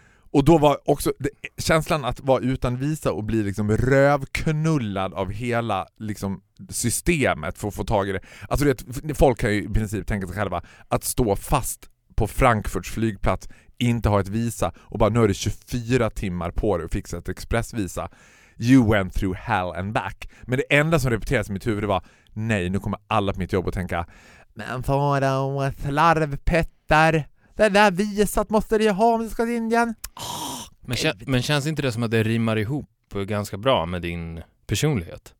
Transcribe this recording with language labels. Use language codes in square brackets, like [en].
[sv] Och då var också känslan att vara utan visa och bli liksom rövknullad av hela liksom systemet för att få tag i det. Alltså det, folk kan ju i princip tänka sig själva att stå fast på Frankfurts flygplats, inte ha ett visa och bara nu är det 24 timmar på dig att fixa ett expressvisa. [en] You went through hell and back. [sv] Men det enda som repeterades i mitt huvud var nej, nu kommer alla på mitt jobb att tänka men fara och slarvpetter. Det där visat måste du ha om du ska till Indien. Men känns inte det som att det rimmar ihop ganska bra med din personlighet?